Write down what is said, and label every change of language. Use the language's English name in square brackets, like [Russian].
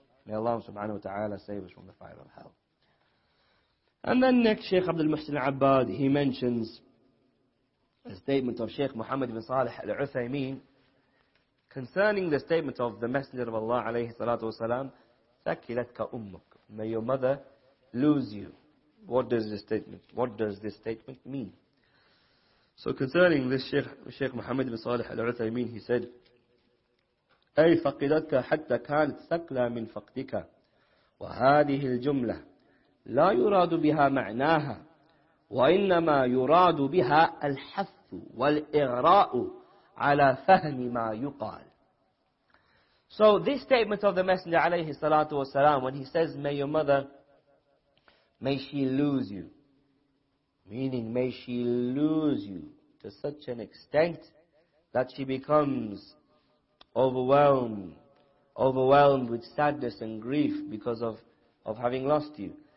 [English] May Allah subhanahu wa ta'ala save us from the fire of hell. And then next, Shaykh Abdul Muhsin Abbad, he mentions a statement of Shaykh Muhammad ibn Salih al-Uthaymeen concerning the statement of the Messenger of Allah alayhi salatu wasalam, [Arabic] ثَكِلَتْكَ أُمُّكَ. [English] May your mother lose you. What does this statement mean? So concerning this, Sheikh Muhammad bin Salih Al Uthaymeen, he said, [Arabic] أي فقدتك حتى كانت ثقلا من فقدك وهذه الجملة لا يراد بها معناها وإنما يراد بها الحث والإغراء على فهم ما يقال. [English] So this statement of the Messenger عليه الصلاة والسلام, when he says, may your mother, may she lose you, meaning may she lose you to such an extent that she becomes overwhelmed with sadness and grief because of having lost you.